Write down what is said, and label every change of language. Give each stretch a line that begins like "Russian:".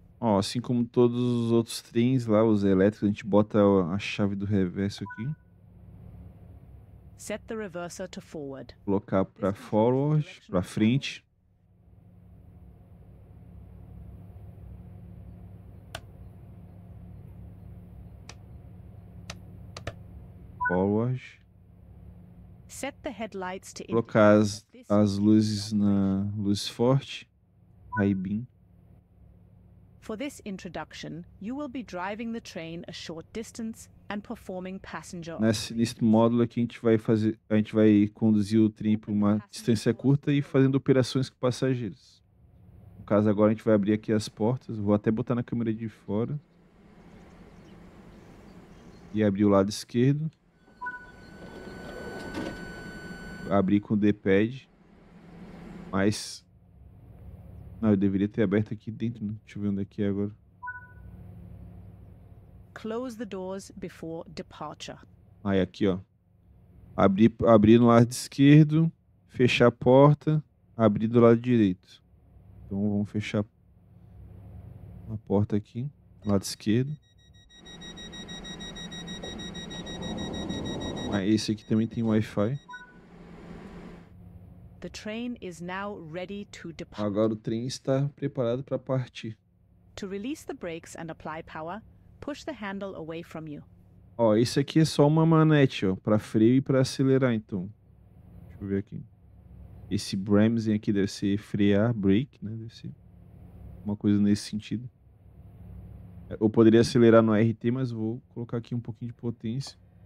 Portuguese: Ó, assim como todos os outros trens lá, os elétricos, a gente bota a chave do reverso aqui.
English: Set the reverser to forward.
Portuguese: Colocar para forward, para frente.
English: Forward. Set the headlights to
Portuguese: colocar as luzes na luz forte, high beam.
English: For this introduction, you will be driving the train a short distance and performing passenger.
Portuguese: Neste módulo aqui a gente vai conduzir o trem por uma distância curta e fazendo operações com passageiros. No caso agora a gente vai abrir aqui as portas, vou até botar na câmera de fora e abrir o lado esquerdo. Abrir com o D-pad, mas não, eu deveria ter aberto aqui dentro, né? Deixa eu ver onde é que é agora.
English: Close the doors before departure.
Portuguese: Aí aqui, ó, abrir no lado esquerdo, fechar a porta, abrir do lado direito. Então vamos fechar a porta aqui, lado esquerdo. Aí esse aqui também tem Wi-Fi.
English: The train is now ready to depart.
Portuguese: Agora o trem está preparado para partir.
English: To release the brakes and apply power, push the handle away from you.
Portuguese: Ó, isso aqui é só uma manete, ó, para freio e para acelerar, então. Deixa eu ver aqui. Esse bremsing aqui deve ser frear, brake, né? Deve ser uma coisa nesse sentido. Eu poderia acelerar no RT, mas vou colocar aqui um pouquinho de potência.